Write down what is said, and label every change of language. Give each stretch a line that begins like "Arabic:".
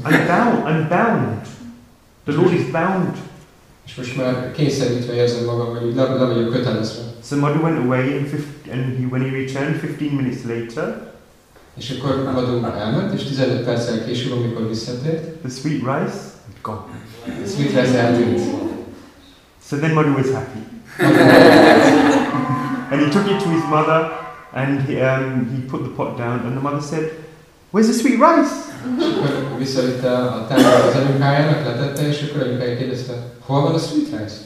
English: I'm bound. The Lord is bound. So Madhu went away and when he returned 15 minutes later.
Hungarian: És akkor Madhu elment, és 15 perccel később, amikor visszatért.
English: The sweet rice had gone.
Hungarian: The sweet rice eltűnt.
English: So then Madhu was happy. And he took it to his mother, and he put the pot down, and the mother said, where's the sweet rice?
Hungarian: És akkor visszatért a tányér az anyukájának, letette, és akkor anyukája kérdezte, hol van a sweet rice?